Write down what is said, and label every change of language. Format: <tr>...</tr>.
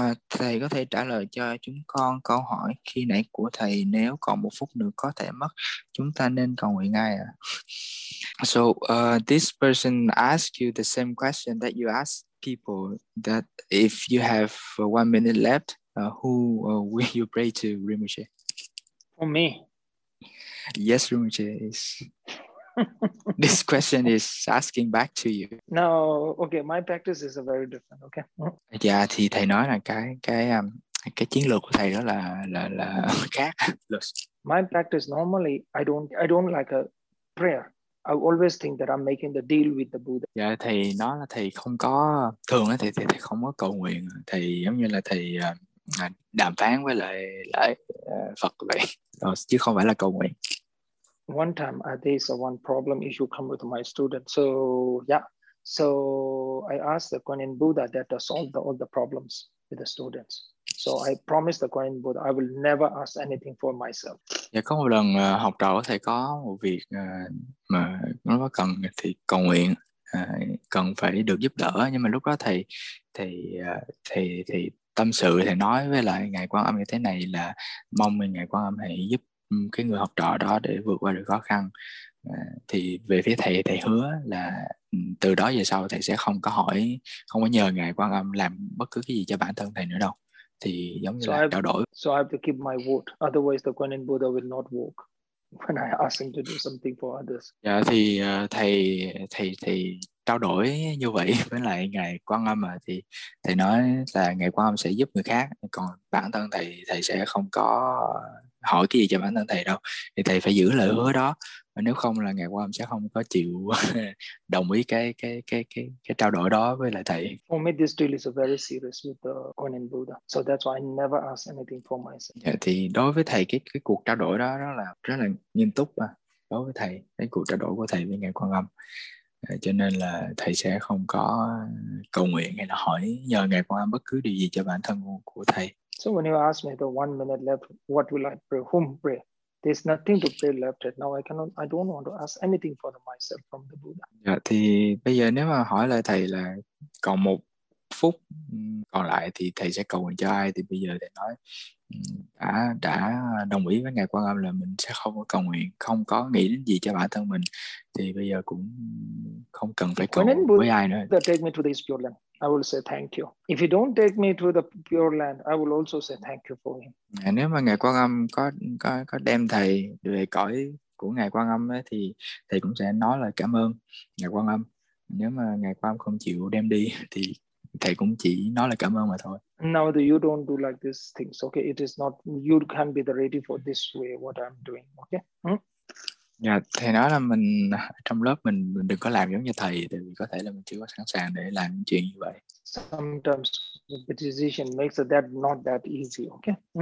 <vi>Thầy có thể trả lời cho chúng con câu hỏi khi nãy của thầy, nếu còn 1 phút nữa có thể mất, chúng ta nên cầu nguyện ngay à?</vi> <en>So this person asked you the same question that you ask people, that if you have 1 minute left, who will you pray to, Rinpoche? For me? Yes, Rinpoche is. This question is asking back to you. No, okay, my practice is a very different, okay?</en> <vi>Dạ, thì thầy nói là cái chiến lược của thầy đó là khác.</vi> <en>My practice normally, I don't like a prayer. I always think that I'm making the deal with the Buddha.</en> <vi>Dạ, thầy nói là thầy không có, thường á thì không có cầu nguyện. Thầy giống như là thầy đàm phán với lại Phật vậy, chứ không phải là cầu nguyện.</vi> <en>One time, there's a one problem issue come with my student. So, yeah. So, I asked the Kuan Yin Buddha that to solve all the problems with the students. So, I promised the Kuan Yin Buddha, I will never ask anything for myself.</en> <vi>Yeah, có một lần học trò thầy có một việc mà nó có cần thì cầu nguyện. cần phải được giúp đỡ. Nhưng mà lúc đó thầy tâm sự, thầy nói với lại Ngài Quan Âm như thế này, là mong Ngài Quan Âm hãy giúp cái người học trò đó để vượt qua được khó khăn. Thì về phía thầy, thầy hứa là từ đó về sau thầy sẽ không có hỏi, không có nhờ Ngài Quan Âm làm bất cứ cái gì cho bản thân thầy nữa đâu. Thì giống như</vi> <en>So</en> <vi>là</vi> <en>I have</en> <vi>trao đổi.</vi> <en>to keep my word, otherwise the Kuan Yin Buddha will not walk when I ask him to do something for others.</en> <vi>Dạ thì thầy trao đổi như vậy với lại Ngài Quan Âm mà, thì thầy nói là Ngài Quan Âm sẽ giúp người khác, còn bản thân thầy sẽ không có hỏi cái gì cho bản thân thầy đâu. Thì thầy phải giữ lời hứa đó, nếu không là Ngài Quan Âm sẽ không có chịu đồng ý cái trao đổi đó với lại thầy.</vi> <en>For me, this deal is a very serious with the Kuan Yin Buddha. So that's why I never ask anything for myself.</en> <vi>Dạ, thì đối với thầy cái cuộc trao đổi đó đó là rất là nghiêm túc mà, đối với thầy cái cuộc trao đổi của thầy với Ngài Quan Âm. Cho nên là thầy sẽ không có cầu nguyện hay là hỏi nhờ Ngài Quan Âm bất cứ điều gì cho bản thân của thầy.</vi> <en>So when you ask me the 1 minute left, what will I pray? Whom pray? There's nothing to pray left right now. I don't want to ask anything for myself from the Buddha.</en> <vi>Dạ, thì bây giờ nếu mà hỏi lại thầy là còn 1 phút còn lại thì thầy sẽ cầu nguyện cho ai, thì bây giờ thầy nói đã đồng ý với Ngài Quan Âm là mình sẽ không có cầu nguyện, không có nghĩ đến gì cho bản thân mình, thì bây giờ cũng không cần phải</vi> <en>When in</en> <vi>cầu với</vi> <en>Buddha</en> <vi>ai nữa.</vi> <en>take me to this pure land, I will say thank you. If you don't take me to the pure land, I will also say thank you for him.</en> <vi>Nếu mà Ngài Quan Âm có đem thầy về cõi của Ngài Quan Âm ấy, thì thầy cũng sẽ nói lời cảm ơn Ngài Quan Âm. Nếu mà Ngài Quan Âm không chịu đem đi thì thầy cũng chỉ nói lời cảm ơn mà thôi.</vi> <en>Now that you don't do like these things, okay, it is not, you can't be the ready for this way what I'm doing, okay?</en> <vi>Dạ, thầy nói là mình trong lớp mình đừng có làm giống như thầy, tại vì có thể là mình chưa có sẵn sàng để làm những chuyện như vậy.</vi> <en>Sometimes the decision makes that not that easy, okay?</en>